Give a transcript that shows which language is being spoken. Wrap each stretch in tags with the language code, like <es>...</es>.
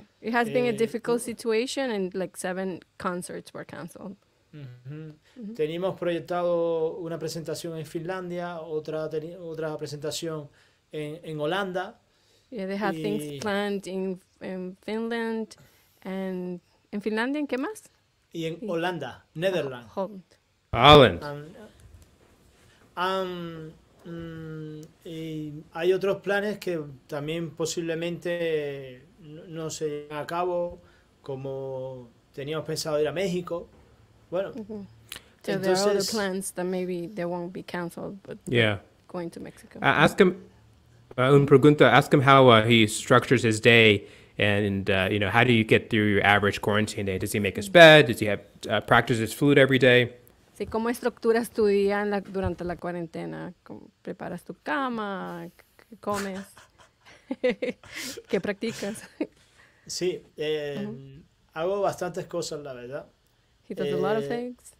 <en>It has been a difficult situation and like 7 concerts were canceled.</en> <es>Tenemos proyectado una presentación en Finlandia, otra presentación en Holanda.</es> <en>Yeah, they have things planned in Finland and in Finland,</en> <es>¿en qué más? Y en Holanda, Netherlands.</es> <en>Holland. Holland.</en> <es>Y hay otros planes que también posiblemente no se lleven a cabo, como teníamos pensado ir a México. Bueno,</es> <en>So there are other plans that maybe they won't be canceled, but like going to Mexico. Ask him,</en> <es>un pregunta,</es> <en>ask him how he structures his day, and how do you get through your average quarantine day? Does he make his bed? Does he have practice his flute every day?</en> <es>Sí, ¿cómo estructuras tu día en la, durante la cuarentena? ¿Cómo preparas tu cama? ¿Qué comes? ¿Qué practicas? Sí, hago bastantes cosas, la verdad.</es> <en>He does a lot of things.</en>